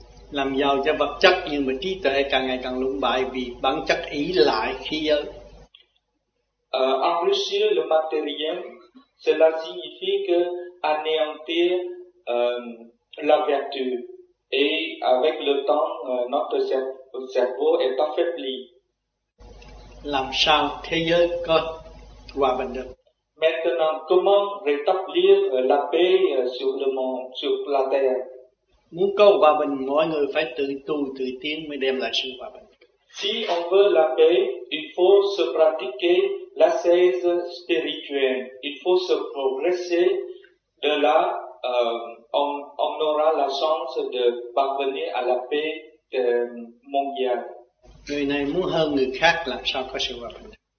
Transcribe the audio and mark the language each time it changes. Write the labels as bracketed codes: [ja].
[vi] Làm giàu cho vật chất nhưng mà trí tuệ càng ngày càng lụng bại vì bản chất ý lại khí giới. [fr] Enrichir le matériel, cela signifie que anéantir la vertu. Et avec le temps, notre cerveau est affaibli. [vi] Làm sao thế giới có hòa bình được? [fr] Maintenant, comment rétablir la paix sur le monde, sur la terre? [vi] Muốn có hòa bình, mọi người phải tự tu, tự tiến mới đem lại sự hòa bình. [fr] Si on veut la paix, il faut se pratiquer l'ascèse spirituelle. Il faut se progresser. De là, on aura la chance de parvenir à la paix mondiale. [vi] Người này muốn hơn người khác làm sao có sự hòa bình?